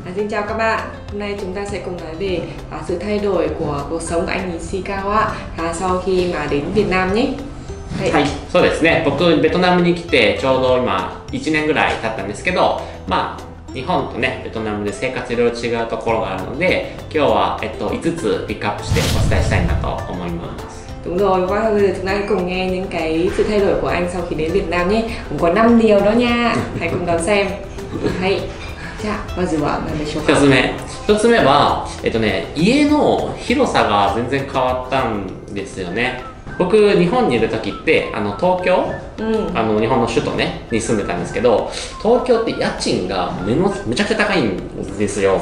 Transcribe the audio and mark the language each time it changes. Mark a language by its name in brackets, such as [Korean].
[Vietnamese] Xin chào các bạn, hôm nay chúng ta sẽ cùng nói về sự thay đổi của cuộc sống của anh Ishikawa sau khi mà đến Việt Nam nhé. [Japanese] はい、そうですね。僕、ベトナムに来てちょうど今1年ぐらい経ったんですけど、まあ、日本とね、ベトナムで生活いろいろ違うところがあるので、今日は5つピックアップしてお伝えしたいなと思います。 [Vietnamese] Đúng rồi, và bây giờ chúng ta cùng nghe những cái sự thay đổi của anh sau khi đến Việt Nam nhé. Cũng có 5 điều đó nha, hãy cùng đón xem. Hãy... [Japanese] まずは何でしょうか。一つ目は、家の広さが全然変わったんですよね。僕日本にいる時って東京、日本の首都ねに住んでたんですけど、東京って家賃がめちゃくちゃ高いんですよ。